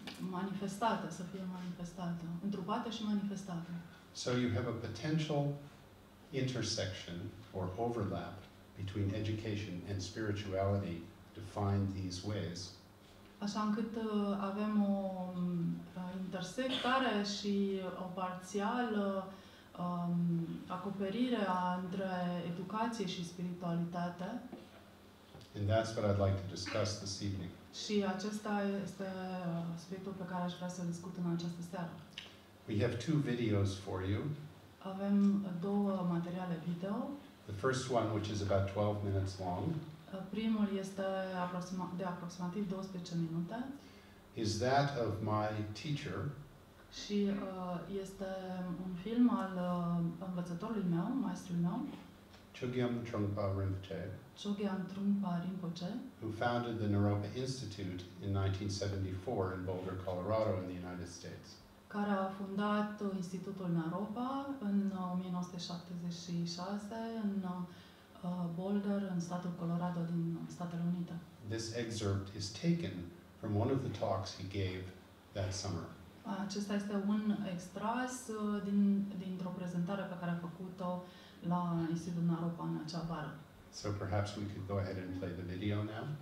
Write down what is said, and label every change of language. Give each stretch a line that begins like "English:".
Romanian: Manifestată, să fie manifestată, întrupată și manifestată.
English: So you have a potential intersection or overlap between education and spirituality defined these ways.
Romanian: Așa încât avem o intersectare și o parțială acoperire între educație și spiritualitate.
English: And that's what I'd like to discuss this evening.
Romanian: Și acesta este subiectul pe care aș vrea să discut în această seară.
English: We have two videos for you.
Romanian: Avem două materiale video.
English: The first one, which is about 12 minutes long.
Romanian: Primul este de aproximativ 12 minute.
English: Is that of my teacher?
Romanian: Și este un film al învățătorului meu, maestrului meu.
English: Chögyam Trungpa Rinpoche.
Romanian: Chögyam Trungpa Rinpoche.
English: Who founded the Naropa Institute in 1974 in Boulder, Colorado in the United States.
Romanian: Care a fondat Institutul Naropa în 1976 în Boulder, în statul Colorado din Statele Unite.
English: This excerpt is taken from one of the talks he gave that summer.
Romanian: Acesta este un extras dintr-o prezentare pe care a făcut-o la Institutul Naropa în acea vară.
English: So perhaps we could go ahead and play the video now.